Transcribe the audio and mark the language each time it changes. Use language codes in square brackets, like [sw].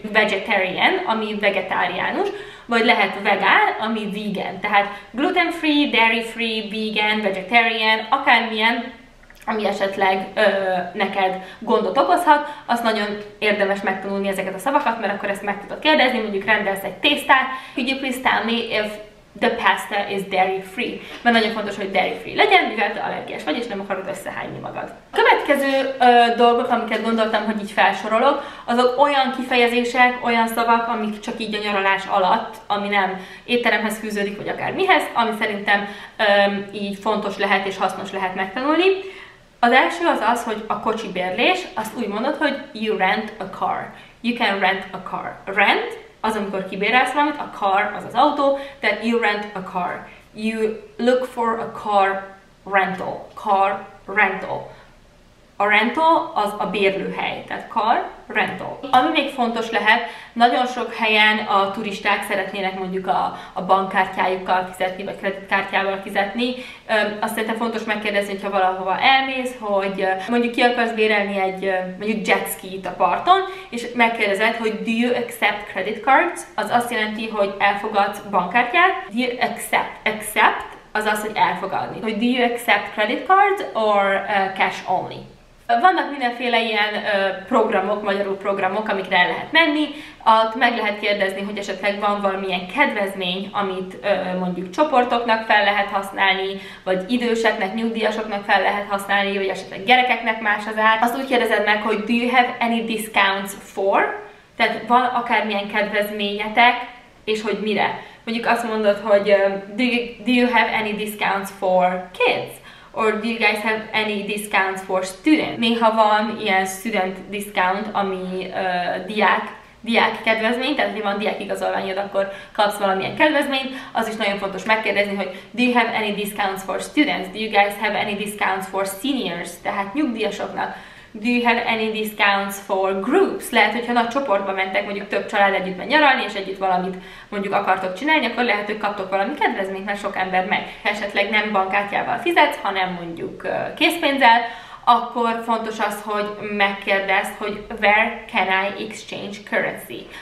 [hu] Vegetarian, ami vegetáriánus, vagy lehet vegán, ami vegan. Tehát gluten free, dairy free, vegan, vegetarian, akármilyen, ami esetleg neked gondot okozhat, az nagyon érdemes megtanulni ezeket a szavakat, mert akkor ezt meg tudod kérdezni, mondjuk rendelsz egy tésztát. [en] Could you please tell me if the pasta is dairy free? [hu] Mert nagyon fontos, hogy dairy free legyen, mivel te allergiás vagy, és nem akarod összehányni magad. A következő dolgok, amiket gondoltam, hogy így felsorolok, azok olyan kifejezések, olyan szavak, amik csak így a nyaralás alatt, ami nem étteremhez fűződik, vagy akár mihez, ami szerintem így fontos lehet és hasznos lehet megtanulni. Az első az, hogy a kocsi bérlés, azt úgy mondod, hogy [en] you rent a car. You can rent a car. Rent [hu] az, amikor kibérelsz valamit, [en] a car [hu] az az autó, tehát [en] you rent a car. You look for a car rental. Car rental. [hu] A rental az a bérlőhely, tehát car rental. Ami még fontos lehet, nagyon sok helyen a turisták szeretnének mondjuk a bankkártyájukkal fizetni, vagy kreditkártyával fizetni. Azt szerintem fontos megkérdezni, hogyha valahova elmész, hogy mondjuk ki akarsz bérelni egy mondjuk jetskit a parton, és megkérdezed, hogy [en] do you accept credit cards? [hu] Az azt jelenti, hogy elfogadsz bankkártyát. [en] Do you accept? [hu] Accept az, hogy elfogadni. Hogy [en] do you accept credit cards or cash only? [hu] Vannak mindenféle ilyen programok, magyarul programok, amikre el lehet menni. Ott meg lehet kérdezni, hogy esetleg van valamilyen kedvezmény, amit mondjuk csoportoknak fel lehet használni, vagy időseknek, nyugdíjasoknak fel lehet használni, vagy esetleg gyerekeknek más az ár. Azt úgy kérdezed meg, hogy [en] do you have any discounts for? [hu] Tehát van akármilyen kedvezményetek, és hogy mire? Mondjuk azt mondod, hogy [en] do you have any discounts for kids? Or do you guys have any discounts for students? [hu] Néha van ilyen student discount, ami diák kedvezmény, tehát ha van diák igazolványod, akkor kapsz valamilyen kedvezményt. Az is nagyon fontos megkérdezni, hogy [en] do you have any discounts for students? Do you guys have any discounts for seniors? [hu] Tehát nyugdíjasoknak. [en] Do you have any discounts for groups? [hu] Lehet, hogyha nagy csoportba mentek, mondjuk több család együtt megy nyaralni, és együtt valamit mondjuk akartok csinálni, akkor lehet, hogy kaptok valami kedvezményt, mert sok ember megy. Ha esetleg nem bankkártyával fizetsz, hanem mondjuk készpénzzel, akkor fontos az, hogy megkérdezd, hogy [en] where can I exchange currency?